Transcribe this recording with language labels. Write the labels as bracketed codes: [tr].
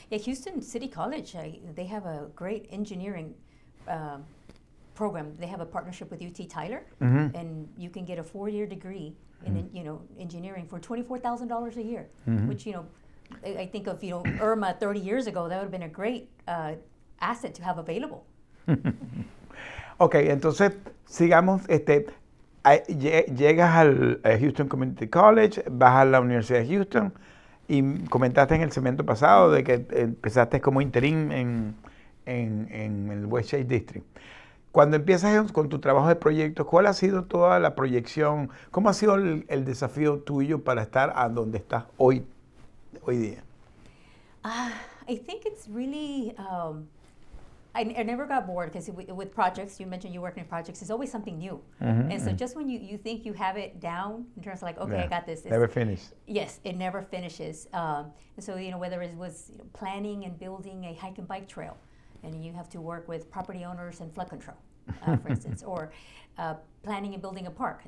[en] Yeah, Houston City College, they have a great engineering program. They have a partnership with UT Tyler, mm-hmm. and you can get a 4-year degree in mm-hmm. Engineering for $24,000 a year, mm-hmm. which, I think of, Irma 30 years ago, that would have been a great asset to have available. [es] Okay, entonces, sigamos, llegas al Houston Community College, vas a la Universidad de Houston, y comentaste en el segmento pasado de que empezaste como interín en el West Chase District. Cuando empiezas con tu trabajo de proyectos, ¿cuál ha sido toda la proyección? ¿Cómo ha sido el desafío tuyo para estar a donde estás hoy día? [en] I think it's really, I never got bored because with projects, you mentioned you work in projects, it's always something new. Mm-hmm, and so mm-hmm. just when you think you have it down in terms of like, okay, yeah, I got this. Never finish. Yes, it never finishes. Whether it was planning and building a hike and bike trail, and you have to work with property owners and flood control, for instance, or planning and building a park.